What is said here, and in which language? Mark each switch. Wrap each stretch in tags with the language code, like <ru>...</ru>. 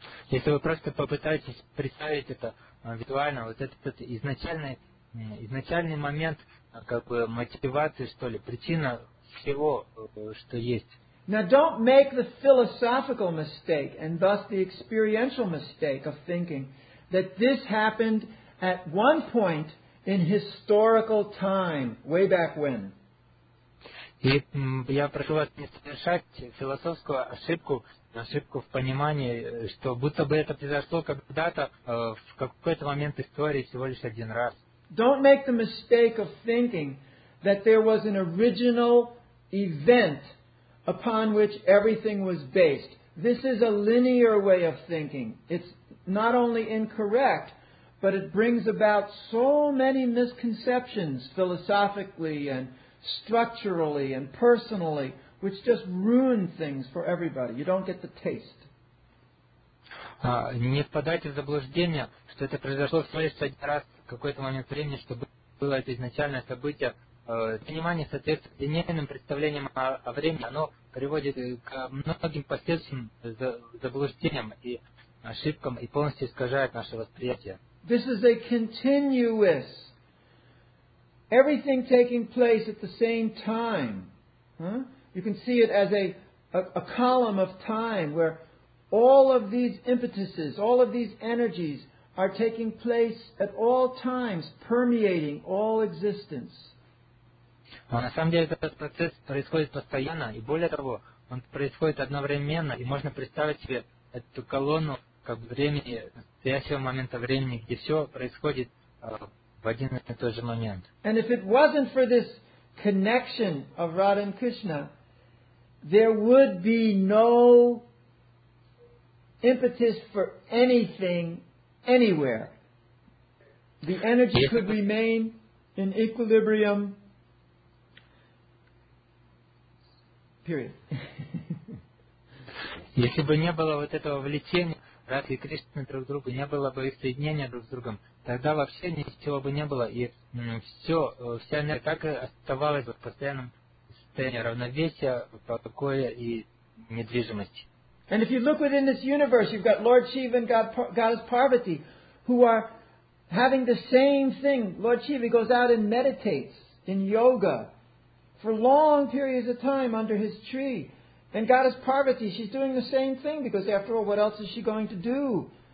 <ru>Если вы просто попытаетесь представить это визуально, вот этот изначальный момент, как бы мотивации, что ли, причина всего, что есть.</ru> <en>Now don't make the philosophical mistake and thus the experiential mistake of thinking that this happened at one point in historical time, way back when.</en> <ru>И я прошу вас не совершать философскую ошибку в понимании, что будто бы это произошло когда-то, в какой-то момент истории, всего лишь один раз.</ru> <en>Don't make the mistake of thinking that there was an original event upon which everything was based. This is a linear way of thinking. It's not only incorrect, but it brings about so many misconceptions philosophically and structurally and personally, which just ruin things for everybody. You don't get the taste.</en> <ru>Не впадайте в заблуждение, что это произошло всего лишь один раз в какой-то момент времени, что было это изначальное событие. Понимание соответствует линейным представлениям о времени, оно приводит к многим последствиям, заблуждениям и ошибкам и полностью искажает наше восприятие.</ru> <en>This is a continuous. Everything taking place at the same time. Huh? You can see it as a column of time where all of these impetuses, all of these energies are taking place at all times, permeating all existence.</en> <ru>На самом деле этот процесс происходит постоянно, и более того, он происходит одновременно, и можно представить себе эту колонну как времени, настоящего момента времени, где все происходит в один и тот же момент.</ru> <en>And if it wasn't for this connection of Radha and Krishna, there would be no impetus for anything anywhere. The energy could remain in equilibrium. Period.</en> <ru>Если бы не было вот этого влечения Радхи и Кришны друг к другу, не было бы их соединения друг с другом, тогда вообще ничего бы не было, и вся энергия так и оставалась в постоянном состоянии равновесия, покоя и недвижимости.</ru> <en>And if you look within this universe, you've got Lord Shiva and Goddess Parvati, who are having the same thing. Lord Shiva goes out and meditates in yoga for long periods of time under his tree. And Goddess Parvati, she's doing the same thing, because after all, what else is she going to do?</en>